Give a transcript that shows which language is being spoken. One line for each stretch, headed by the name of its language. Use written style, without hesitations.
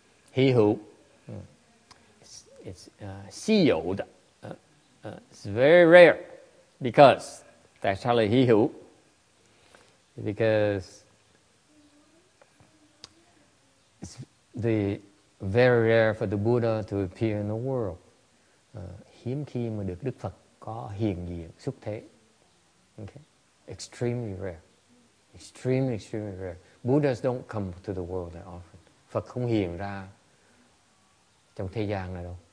English: He who it's 稀有的, it's very rare, because that's how he who, because it's the very rare for the Buddha to appear in the world.
Vietnamese: Hiếm khi mà được Đức Phật có hiện diện xuất thế.
English: Okay, extremely rare. Buddhas don't come to the world that often.
Vietnamese: Phật không hiện ra trong thế gian này đâu.